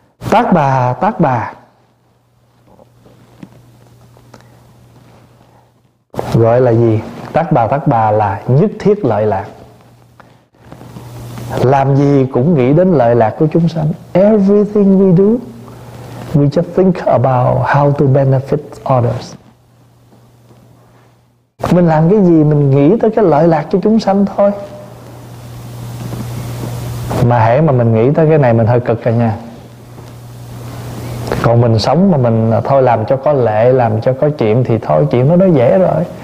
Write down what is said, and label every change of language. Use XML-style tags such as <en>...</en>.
<vi>Tát Bà, Tát Bà gọi là gì? Tát Bà, Tát Bà là nhất thiết lợi lạc. Làm gì cũng nghĩ đến lợi lạc của chúng sanh.</vi> <en>Everything we do, we just think about how to benefit others.</en> <vi>Mình làm cái gì mình nghĩ tới cái lợi lạc cho chúng sanh thôi. Mà hễ mà mình nghĩ tới cái này mình hơi cực cả nha. Còn mình sống mà mình thôi làm cho có lệ, làm cho có chuyện thì thôi, chuyện nó dễ rồi.</vi>